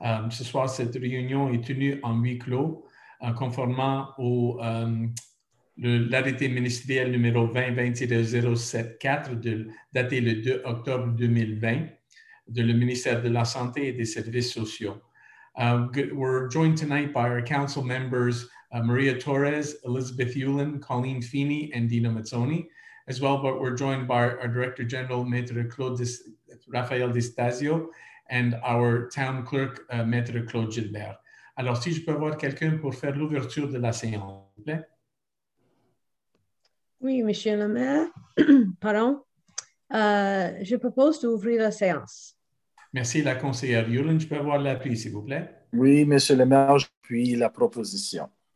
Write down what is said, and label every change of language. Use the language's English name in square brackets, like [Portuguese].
[French] Ce soir, cette réunion est tenue en huis clos, conformément au l'arrêté ministériel numéro 2020-074, daté le 2 octobre 2020, de le ministère de la Santé et des Services Sociaux. [English] We're joined tonight by our council members, Maria Torres, Elizabeth Yulin, Colleen Feeney, and Dina Mazzoni, as well, but we're joined by our Director General, Maître Claude Raphael D'Estasio, and our town clerk, Maître Claude Gilbert. [French] Alors, si je peux avoir quelqu'un pour faire l'ouverture de la séance, s'il vous plaît. Oui, Monsieur le Maire, pardon. Je propose d'ouvrir la séance. Merci, la conseillère Yulin. Je peux avoir l'appui, s'il vous plaît? Oui, Monsieur le Maire, je puis la proposition.